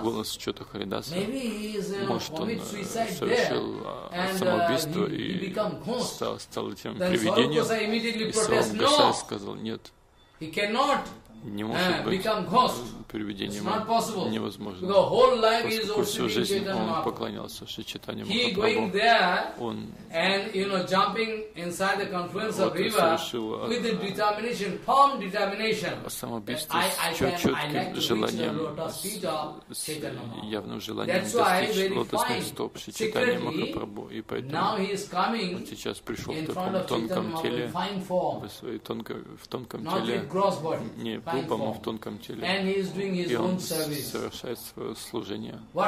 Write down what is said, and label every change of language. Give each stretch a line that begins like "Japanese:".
Russian: голос Чота Харидаса, может он совершил самоубийство и стал этим привидением, и Сваруп Госвами сказал, нет.
English: He cannot become ghost. It's not possible.
Russian: Невозможно.
English: The whole life is
Russian: всю жизнь он поклонялся Шри Чайтанья Махапрабху.
English: He going there and you know jumping inside the confluence of river with the determination, firm determination.
Russian: Самоубийство с четким желанием, с явным желанием достичь лотосных стоп Шри Чайтанья Махапрабху. И поэтому он сейчас пришел в таком тонком теле, в тонком теле. Не пупом, а в тонком теле. И он совершает свое служение.